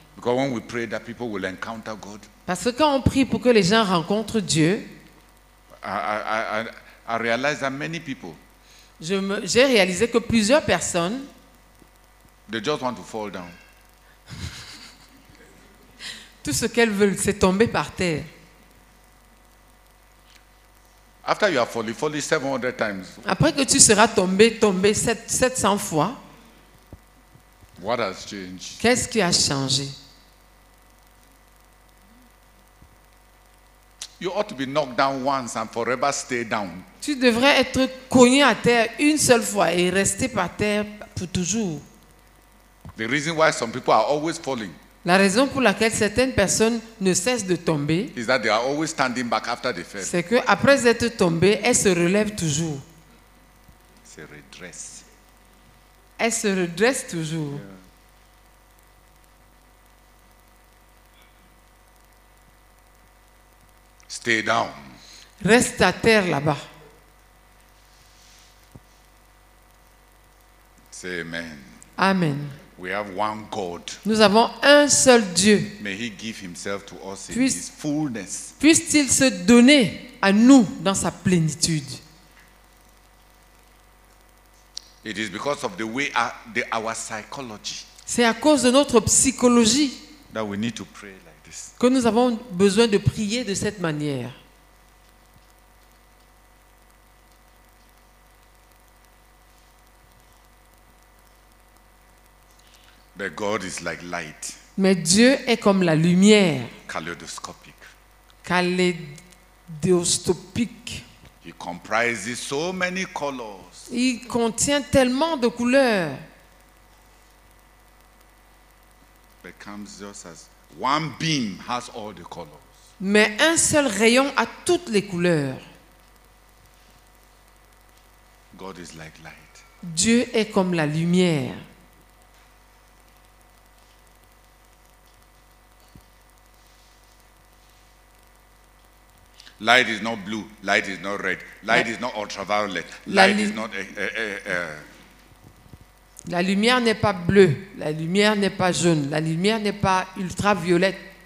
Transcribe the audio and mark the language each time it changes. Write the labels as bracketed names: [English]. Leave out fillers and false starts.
[English] Because when we pray that people will encounter God. [French] Parce que quand on prie pour que les gens rencontrent Dieu, [English] I realize that many people, [French] j'ai réalisé que plusieurs personnes, [English] they just want to fall down. [French] Tout ce qu'elles veulent, c'est tomber par terre. [English] After you have fallen 700 times. [French] Après que tu seras tombé 700 fois. [English] What has changed? [French] Qu'est-ce qui a changé? [English] You ought to be knocked down once and forever stay down. [French] Tu devrais être cogné à terre une seule fois et rester par terre pour toujours. [English] The reason why some people are always falling. [French] La raison pour laquelle certaines personnes ne cessent de tomber, is that they are always standing back after they fell. C'est qu'après être tombées, elles se relèvent toujours. Se redresse. Elles se redressent toujours. [English] Yeah. Stay down. [French] Reste à terre là-bas. [English] Say amen. Amen. We have one God. [French] Nous avons un seul Dieu. [English] May he give himself to us in his fullness. [French] Puisse-t-il se donner à nous dans sa plénitude. [English] It is because of the way our psychology. [French] C'est à cause de notre psychologie. [English] That we need to pray like this. [French] Que nous avons besoin de prier de cette manière. [English] But God is like light. [French] Mais Dieu est comme la lumière. [English] Kaleidoscopic. [French] Kaleidoscopique. [English] He comprises so many colors. [French] Il contient tellement de couleurs. [English] But comes just as one beam has all the colors. [French] Mais un seul rayon a toutes les couleurs. [English] God is like light. [French] Dieu est comme la lumière. [English] Light is not blue, light is not red, light is not ultraviolet, light is not... [French] La lumière n'est pas bleue, la lumière n'est pas jaune, la lumière n'est pas ultraviolette.